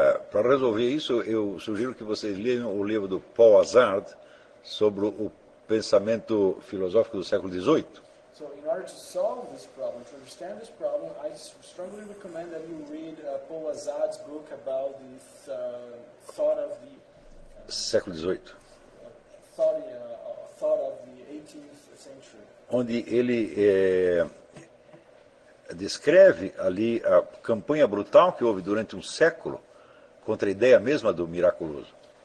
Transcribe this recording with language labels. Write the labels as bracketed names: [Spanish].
[Portuguese] Para resolver isso, eu sugiro que vocês leiam o livro do Paul Azard sobre o pensamento filosófico do século XVIII. [English] So, in order to solve this problem, to understand this problem, I strongly recommend that you read Paul Azard's book about the thought of the [Portuguese] século XVIII. [English] Thought of the 18th century. [Portuguese] Onde ele descreve ali a campanha brutal que houve durante um século contra a ideia mesma do miraculoso.